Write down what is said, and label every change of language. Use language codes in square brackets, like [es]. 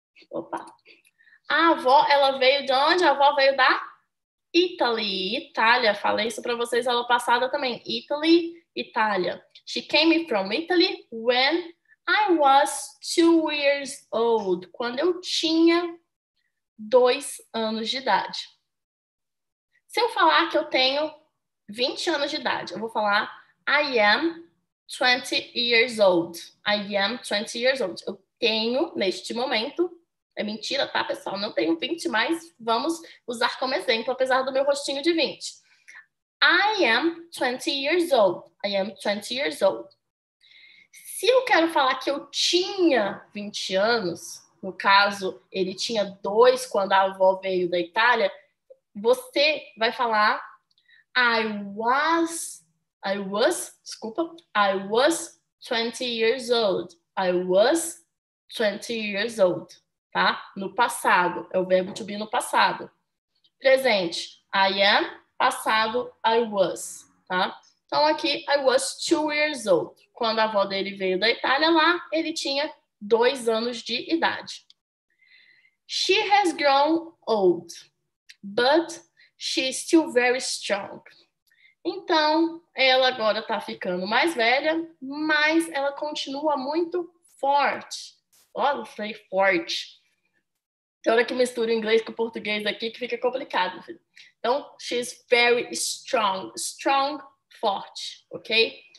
[pt] Opa. A avó, ela veio de onde? A avó veio da Italy. Itália. Falei isso para vocês aula passada também. Italy, Itália. [en] She came from Italy when I was 2 years old. [pt] Quando eu tinha 2 anos de idade. Se eu falar que eu tenho 20 anos de idade, eu vou falar [en] I am 20 years old. I am 20 years old. [pt] Eu tenho, neste momento, é mentira, tá, pessoal? Não tenho 20, mas vamos usar como exemplo, apesar do meu rostinho de 20. [en] I am 20 years old. I am 20 years old. [pt] Se eu quero falar que eu tinha 20 anos, no caso, ele tinha 2 quando a avó veio da Itália, você vai falar [en] I was 20 years old. I was 20 years old. [pt] Tá? No passado. É o verbo to be no passado. Presente. I am. Passado. I was. Tá? Então aqui, [en] I was 2 years old. [pt] Quando a avó dele veio da Itália lá, ele tinha 2 anos de idade. [en] She has grown old, but she's still very strong. [pt] Então, ela agora está ficando mais velha, mas ela continua muito forte. Olha, eu falei forte. Tem hora que mistura o inglês com o português aqui que fica complicado, filho. Então, [en] she's very strong. Strong, forte, ok?